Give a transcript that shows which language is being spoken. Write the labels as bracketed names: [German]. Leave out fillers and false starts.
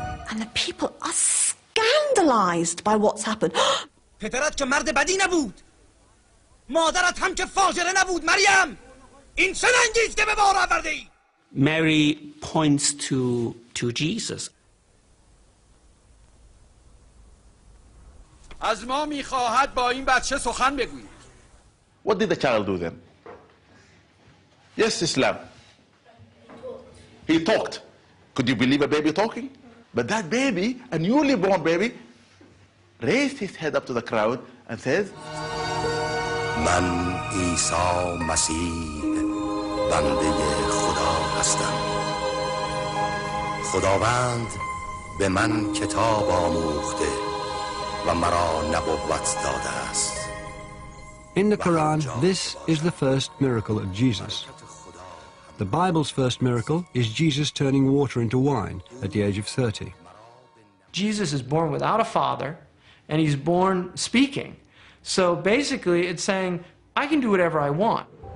[English] And the people are scandalized by what's happened. [Persian] پدرت که مرد بدی نبود، مادرت هم که فاجره نبود، مریم، این سن انگیز که به بار آورده ای. [English] Mary points to Jesus. [Persian] از ما میخواهد با این بچه سخن بگوی. [English] What did the child do then? Yes, Islam. He talked. Could you believe a baby talking? But that baby, a newly born baby, raised his head up to the crowd and says, [Persian] من عیسی مسیح بنده خدا هستم. خداوند به من کتاب آموخته و مرا نبوت داده است. [English] In the Quran, this is the first miracle of Jesus. The Bible's first miracle is Jesus turning water into wine at the age of 30. Jesus is born without a father, and he's born speaking. So basically, it's saying, I can do whatever I want.